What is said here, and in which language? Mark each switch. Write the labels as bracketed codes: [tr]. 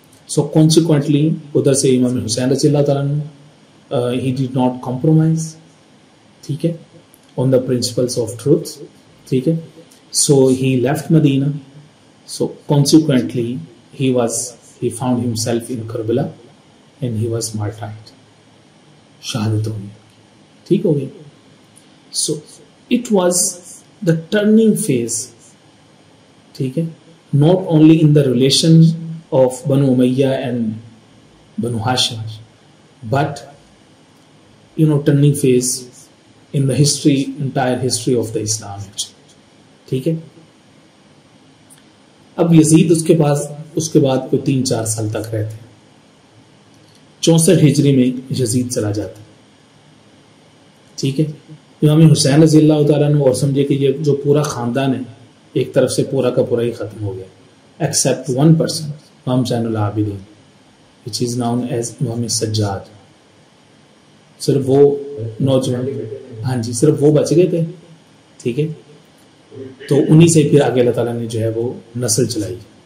[hi] सो consequently उधर से इमाम हुसैन रज़ी अल्लाह तआला ने [en] he did not compromise, [hi] ठीक है, [en] on the principles of truth, [hi] ठीक है। [en] so he left Medina, so consequently he found himself in Karbala and he was martyred, [hi] शहादत हो गई, ठीक हो गई। [en] so it was the turning phase, [hi] ठीक है, [en] not only in the relation of Banu Umayya and Banu Hashim but you know turning phase in the history, entire history of the Islam, ठीक है। [hi] अब यजीद उसके बाद कोई 3-4 साल तक रहते हैं, 64 हिजरी में यजीद चला जाता है, ठीक है। इमाम हुसैन रजी अल्लाह तआला ने और समझे कि ये जो पूरा खानदान है एक तरफ से पूरा का पूरा ही खत्म हो गया [en] except one person [hi] इमाम Zainul Abidin [en] which is known as [hi] इमाम सज्जाद, सिर्फ वो नौजवान, हाँ जी, सिर्फ वो बच गए थे, ठीक है। तो उन्हीं से फिर आगे अल्लाह ताला ने जो है वो नस्ल चलाई,